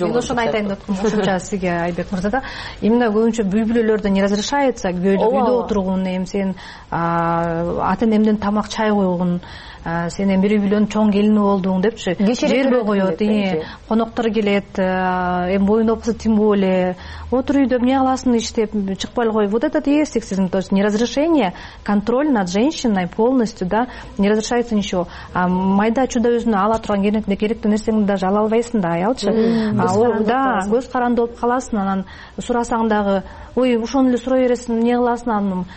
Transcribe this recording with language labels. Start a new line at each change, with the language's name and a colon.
Kyrgyz: ошону айтайын деп аткам кошумча сизге Айбек мырза да. Именно көбүнчө үй бүлөлөрдө
Russian: не разрешается
Kyrgyz: үйдө отургун, эми сен ата энемден тамак чай койгун, сен эми бир үй бүлөнүн чоң келини болдуң депчи. Жер койот, коноктор келет, эми боюн опсо тим боле, отур үйдө эмне кыласың иштеп, чыкпай эле кой.
Russian: Вот этот есть сексизм, то есть неразрешение, контроль над женщиной полностью, да, не разрешается ничего.
Kyrgyz: А майда чудо өзүнө ала турган керектүү нерсеңди даже ала албайсың да, аялчы. Да, көз каранды болуп каласың, анан сурасаң дагы ой, ошону эле суроо бересиң, эмне кыласың анын?